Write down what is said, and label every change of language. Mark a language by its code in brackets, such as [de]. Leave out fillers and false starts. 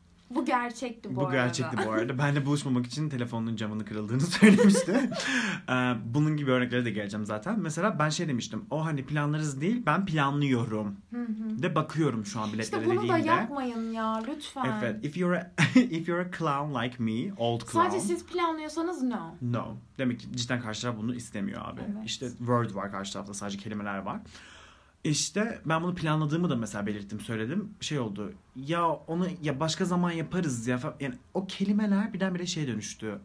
[tr] Bu gerçekti bu arada. Bu gerçekti bu arada. Ben de buluşmamak için telefonun camının kırıldığını söylemişti. Bunun gibi örneklere de geleceğim zaten. Mesela ben şey demiştim. O hani planlarız değil, ben planlıyorum. De bakıyorum şu an biletlere i̇şte dediğimde. İşte bunu da yapmayın ya lütfen. Evet. [en] If you're a clown like me, old clown. [tr] Sadece siz planlıyorsanız no. [en] No. [tr] Demek ki cidden karşı taraf bunu istemiyor abi. Evet. İşte word var karşı tarafta, sadece kelimeler var. İşte ben bunu planladığımı da mesela belirttim, söyledim. Şey oldu. Ya onu ya başka zaman yaparız ya. Yani o kelimeler birdenbire şeye dönüştü.